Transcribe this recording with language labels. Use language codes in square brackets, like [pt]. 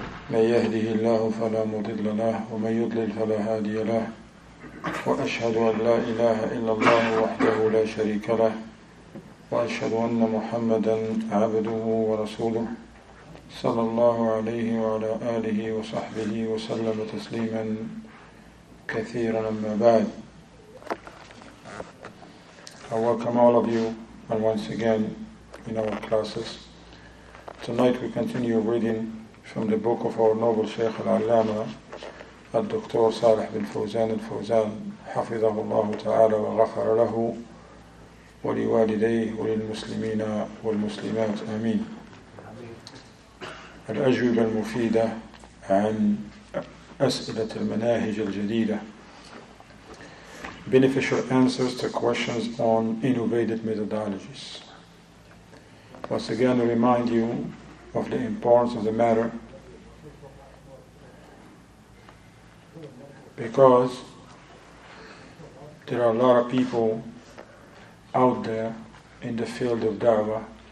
[ar] من يهده الله فلا مضل له ومن يضلل فلا هادي له، وأشهد أن لا إله إلا الله وحده لا شريك له، وأشهد أن محمدا عبده ورسوله صلى الله عليه وعلى آله وصحبه وسلم تسليما كثيرا. أما بعد، [en] I welcome all of you and once again in our classes. Tonight we continue reading from the book of our noble Shaykh al-Allama al-Doktor Salih bin Fawzan al-Fawzan [ar] حفظه الله تعالى وغفر له ولوالديه وللمسلمين والمسلمات آمين. الأجوبة المفيدة عن أسئلة المناهج الجديدة. [en] Beneficial answers to questions on innovated methodologies. Once again, I remind you of the importance of the matter, because there are a lot of people out there in the field of da'wah